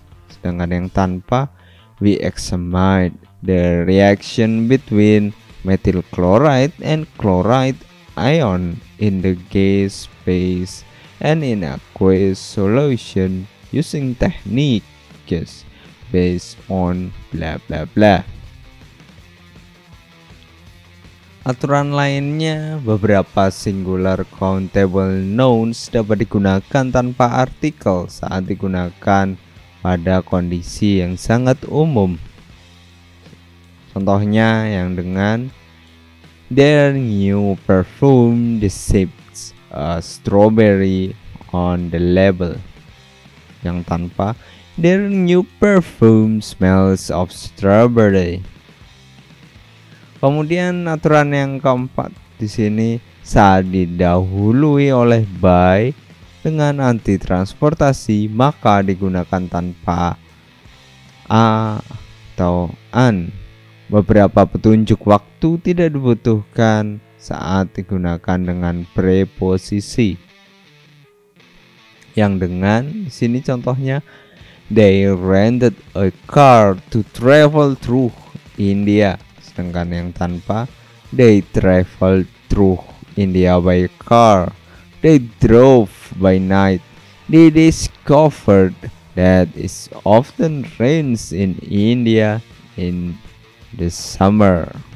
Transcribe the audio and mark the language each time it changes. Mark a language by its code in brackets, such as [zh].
[id] Sedangkan yang tanpa, [en] we examined the reaction between methyl chloride and chloride ion in the gas phase and in aqueous solution using techniques based on blah blah blah. [id] Aturan lainnya, beberapa singular countable nouns dapat digunakan tanpa artikel saat digunakan pada kondisi yang sangat umum. Contohnya yang dengan [en] their new perfume deceives a strawberry on the label. [id] Yang tanpa, [en] their new perfume smells of strawberry. [id] Kemudian aturan yang keempat di sini, saat didahului oleh by dengan anti transportasi, maka digunakan tanpa a atau an. Beberapa petunjuk waktu tidak dibutuhkan saat digunakan dengan preposisi. yang dengan sini contohnya [en] they rented a car to travel through India, [id] sedangkan yang tanpa [en] they traveled through India by car, they drove by night, they discovered that it often rains in India in the summer.